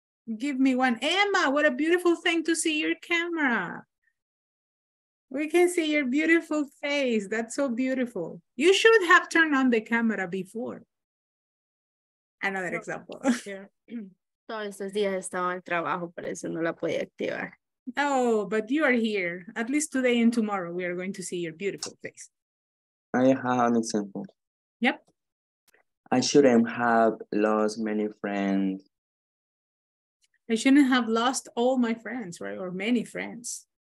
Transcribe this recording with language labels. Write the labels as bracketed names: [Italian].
[English] Give me one. Emma, what a beautiful thing to see your camera. We can see your beautiful face. That's so beautiful. You should have turned on the camera before. Another example. [Spanish] Todos estos días estaba en trabajo, por eso no la podía activar. [English] Oh, but you are here. At least today and tomorrow, we are going to see your beautiful face. I have an example. Yep. I shouldn't have lost many friends. I shouldn't have lost all my friends, right? Or many friends.